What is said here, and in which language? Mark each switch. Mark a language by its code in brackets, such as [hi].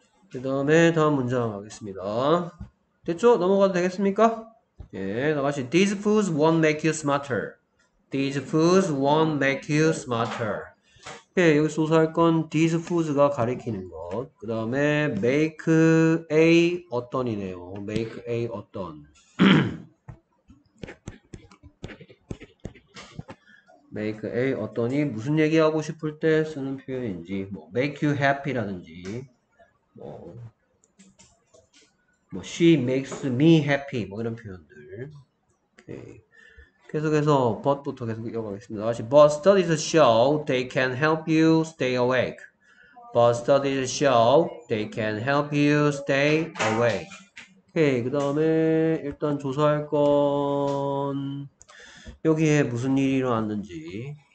[ko] 그 다음에 다음 문장 하겠습니다. 됐죠? 넘어가도 되겠습니까? 예, 다같이 [en] these foods won't make you smarter. These foods won't make you smarter. [ko] 예, 여기서 조사할 건 these foods가 가리키는 것. 그 다음에 make a 어떤이네요. make a 어떤. make a 어떤이 무슨 얘기하고 싶을 때 쓰는 표현인지, 뭐 [en] make you happy [ko] 라든지, 뭐 [en] she makes me happy [ko] 뭐 이런 표현들. 오케이. 계속해서 but부터 계속 이어가겠습니다. 다시 [en] but studies show they can help you stay awake. but studies show they can help you stay awake. [ko] 오케이, 그 다음에 일단 조사할 건 여기에 무슨 일이 일어났는지.